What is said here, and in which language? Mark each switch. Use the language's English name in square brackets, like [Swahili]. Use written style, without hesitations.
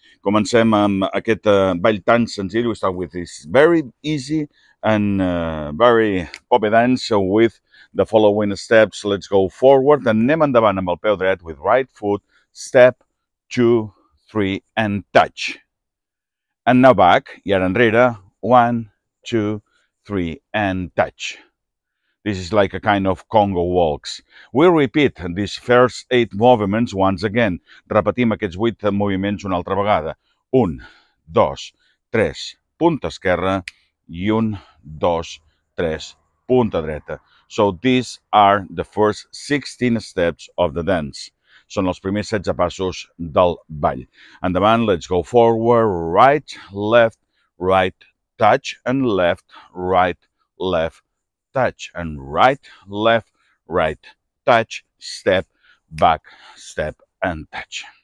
[Catalan] Comencem amb aquest ball tan senzill. [English] We start with this very easy and very poppy dance with the following steps. Let's go forward. [Catalan] Anem endavant amb el peu dret [English] with right foot. Step, two, three, and touch. And now back, [Catalan] y ahora enrere, [English] one, two, three, and touch. This is like a kind of Congo walks. We repeat these first eight movements once again. [Catalan] Repetim aquests vuit moviments una altra vegada. Un, dos, tres, punta esquerra, i un, dos, tres, punta dreta. [English] So these are the first 16 steps of the dance. [Catalan] Són els primers 16 passos del ball. [English] Endavant, let's go forward, right, left, right, touch, and left, right, left, touch, and right, left, right, touch, step, back, step, and touch.